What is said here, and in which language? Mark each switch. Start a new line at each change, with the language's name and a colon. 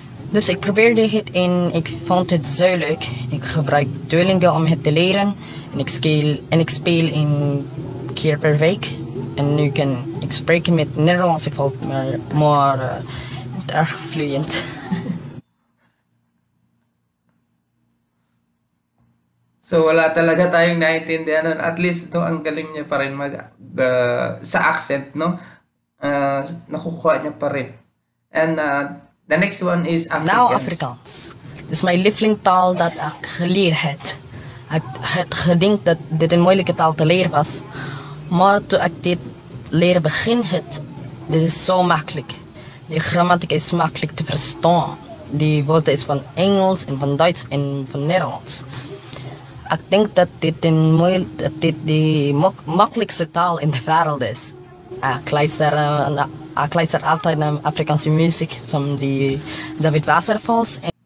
Dutch: Dus ik probeerde het en ik vond het zo leuk. Ik gebruik Duolingo om het te leren en expel en keer per week. En nu kan ik spreken met Nederlandse folk, maar niet erg vloeiend.
Filipino: So wala talaga tayong naiintindihan, at least ito ang galing niya pa rin sa accent, no? Nakukuha niya pa rin.
English: And the next one is Afrikaans.
Afrikaans: Now Afrikaans. Dis my lifeling taal dat ek geleer het. Ek het gedink dat dit 'n moeilike taal te leer was. Maar toe ek dit leer begin het, dit is so maklik. Die grammatika is maklik te verstaan. Die woorde is van Engels en van Duits en van Nederlands. Ek dink dat dit die maklikste taal in die wêreld is. Ek luister altyd na Afrikaanse musiek, soos die David Waterfalls.